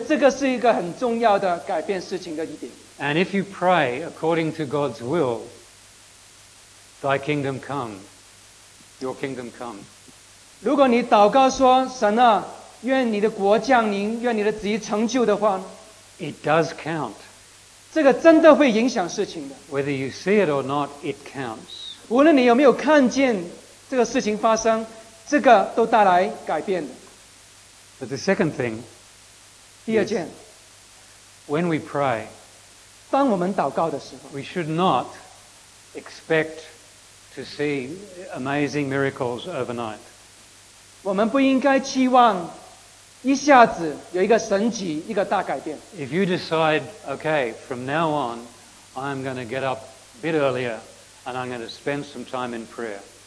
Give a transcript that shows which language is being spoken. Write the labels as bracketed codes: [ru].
[zh] 换句话说，祷告本身是个过程，这个过程就帮助我们学习祷告，所以这个是一个很重要的改变事情的一点。 [en] And if you pray according to God's will, Thy kingdom come, your kingdom come. [zh] 如果你祷告说，神啊，愿你的国降临，愿你的旨意成就的话， [en] it does count. [zh] 这个真的会影响事情的。 [en] Whether you see it or not, it counts. [zh] 无论你有没有看见这个事情发生，这个都带来改变的。 [en] But the second thing, [zh] 第二件, [en] is, when we pray, [zh] 当我们祷告的时候, [en] we should not expect to see amazing miracles overnight. [zh] 我们不应该期望一下子有一个神迹，一个大改变。 [en] If you decide, okay, from now on, I'm going to get up a bit earlier and I'm going to spend some time in prayer.